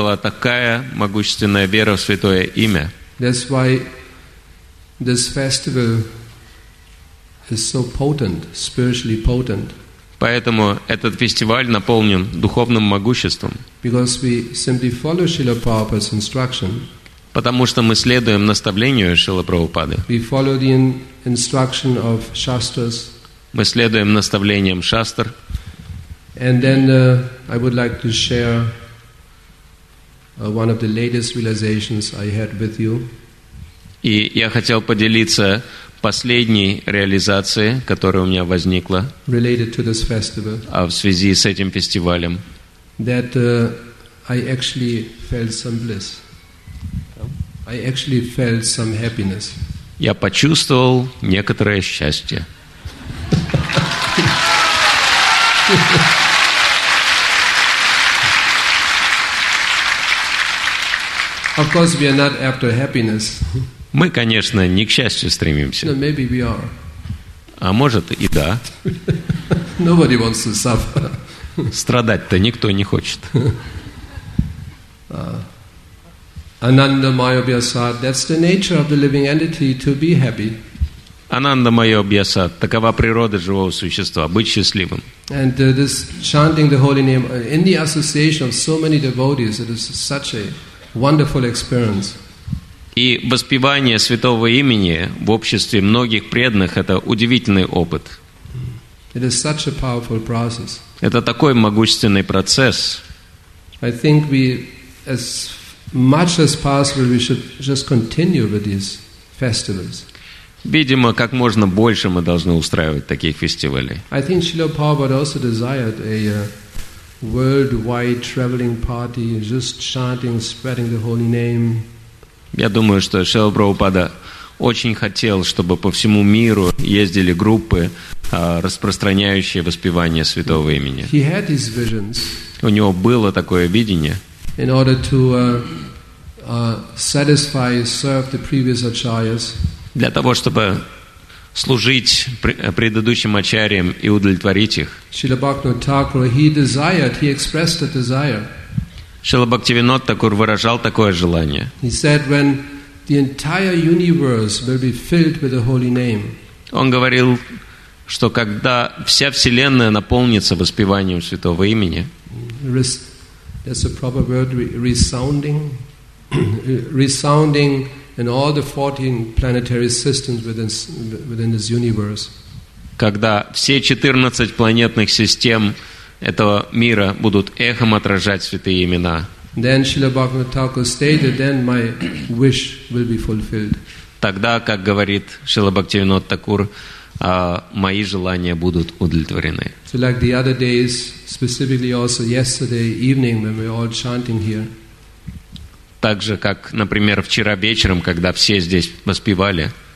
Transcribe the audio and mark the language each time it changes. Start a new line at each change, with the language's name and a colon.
Russian: была такая могущественная вера в святое имя.
English: That's why this festival is so potent, spiritually potent.
Russian: Поэтому этот фестиваль наполнен духовным могуществом.
English: Because we simply follow Srila Prabhupada's instruction.
Russian: Потому что мы следуем наставлению Шрилы Прабхупады.
English: We follow the instruction of Shastras.
Russian: Мы следуем наставлениям Шастр.
English: And then I would like to share one of the latest realizations I had with you.
Russian: И я хотел поделиться последней реализацией, которая у меня возникла
English: related to this festival.
Russian: А в связи с этим фестивалем.
English: That I actually felt some bliss. I actually felt some happiness.
Russian: Я почувствовал некоторое счастье.
English: Of course, we are not after happiness.
Russian: Мы, конечно, не к счастью стремимся.
English: No, maybe we are.
Russian: А может и да.
English: Nobody wants to suffer.
Russian: Страдать-то никто не хочет.
English: Anandamaya Vyasat, that's the nature of the living entity to be happy.
Russian: Анандамайо Бьясат, такова природа живого существа, быть счастливым.
English: And this chanting the holy name in the association of so many devotees, it is such a wonderful experience.
Russian: И воспевание святого имени в обществе многих преданных – это удивительный опыт.
English: It is such a powerful process.
Russian: Это такой могущественный процесс.
English: I think we, as much as possible, we should just continue with these festivals.
Russian: Видимо, как можно больше мы должны устраивать таких фестивалей.
English: I think Srila Prabhupada also desired a worldwide traveling party, just chanting, spreading the holy name.
Russian: Я думаю, что Шрила Прабхупада очень хотел, чтобы по всему миру ездили группы, распространяющие воспевание святого имени.
English: He had his visions.
Russian: У него было такое видение.
English: In order to satisfy, serve the previous acharyas.
Russian: Для того, чтобы служить предыдущим ачарьям и удовлетворить их.
English: Шрила Бхактивинода Тхакура, he desired, he expressed a desire.
Russian: Шрила Бхактивинода Тхакур выражал такое желание.
English: He said, when the entire universe will be filled with the holy name.
Russian: Он говорил, что когда вся вселенная наполнится воспеванием святого имени.
English: That's a proper word, resounding. Resounding in all the 14 planetary systems within this universe.
Russian: Когда все 14 планетных систем этого мира будут эхом отражать святые имена.
English: Then Srila Bhaktivinoda Thakur stated, then my wish will be fulfilled.
Russian: Тогда, как говорит Шрила Бхактивинода Тхакур, мои желания будут удовлетворены.
English: So like the other days, specifically also yesterday evening when we were all chanting here.
Russian: Так же, как, например, вчера вечером, когда все здесь воспевали.